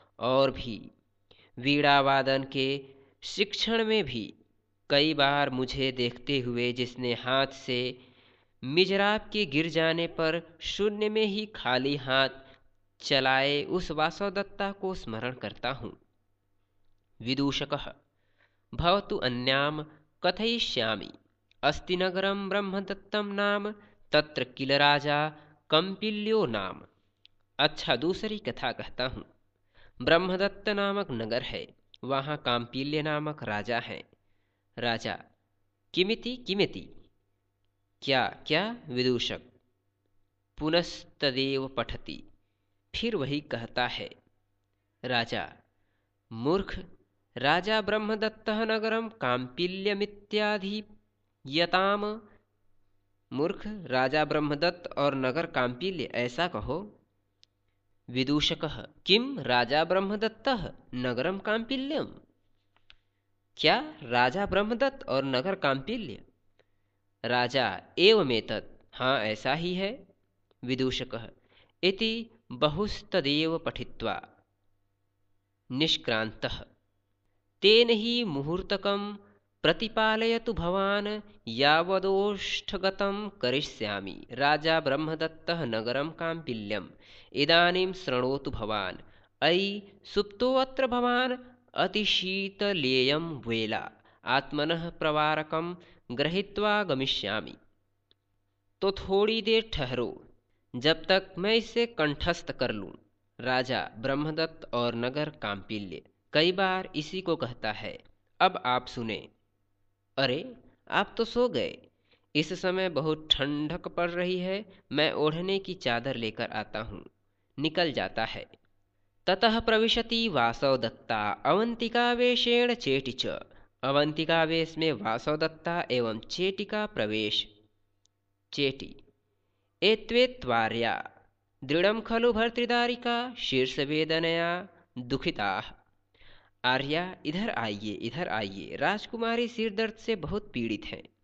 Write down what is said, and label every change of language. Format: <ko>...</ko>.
<hi>और भी वीणावादन के शिक्षण में भी कई बार मुझे देखते हुए जिसने हाथ से मिजराब के गिर जाने पर शून्य में ही खाली हाथ चलाए, उस वासवदत्ता को स्मरण करता हूँ।</hi> <sa>विदूषकः भवतु अन्याम कथयिष्यामि। अस्ति नगरं ब्रह्मदत्तं नाम तत्र किल राजा कम्पिल्यो नाम।</sa> <hi>अच्छा दूसरी कथा कहता हूँ। ब्रह्मदत्त नामक नगर है, वहाँ कम्पिल्य नामक राजा है।</hi> <sa>राजा किमिति किमिति,</sa> <hi>क्या क्या?</hi> <sa>विदूषक पुनस्तदेव पठति,</sa> <hi>फिर वही कहता है।</hi> <sa>राजा मूर्ख, राजा ब्रह्मदत्त नगरं कम्पिल्यमित्यादि यताम।</sa> <hi>मूर्ख, राजा ब्रह्मदत्त और नगर कम्पिल्य ऐसा कहो।</hi> <sa>विदूषकः किम राजा ब्रह्मदत्तः नगरं कम्पिल्यम्,</sa> <hi>क्या राजा ब्रह्मदत्त और नगर कम्पिल्य? राजा</hi> <sa>एवमेतत्,</sa> <hi>हाँ ऐसा ही है।</hi> <sa>विदूषकः इति बहुस्तदेव पठित्वा निष्क्रांतः तेन ही मुहूर्तकम् प्रतिपालयतु भवान यावदोष्ठगतं करिष्यामि। राजा ब्रह्मदत्तः नगरं काम्पिल्यम् इदानीं श्रणोतु भवान। अयि सुप्तोऽत्र भवान अतिशीतलेयं वेला आत्मनः प्रवारकं गृहीत्वा गमिष्यामि।</sa> <hi>तो थोड़ी देर ठहरो, जब तक मैं इसे कंठस्थ कर लूँ। राजा ब्रह्मदत्त और नगर काम्पिल्य कई बार इसी को कहता है। अब आप सुने। अरे आप तो सो गए, इस समय बहुत ठंडक पड़ रही है, मैं ओढ़ने की चादर लेकर आता हूँ। निकल जाता है।</hi> <sa>ततः प्रविशति वासव दत्ता अवंतिकावेशेण चेटि च।</sa> <hi>अवंतिकावेश में वासव दत्ता एवं चेटि का प्रवेश।</hi> <sa>चेटि एत्वेत्वार्या दृढ़ खलु भर्तृदारिका शीर्ष वेदनया दुखिता।</sa> <hi>आर्या इधर आइए इधर आइए, राजकुमारी सिर दर्द से बहुत पीड़ित हैं।</hi>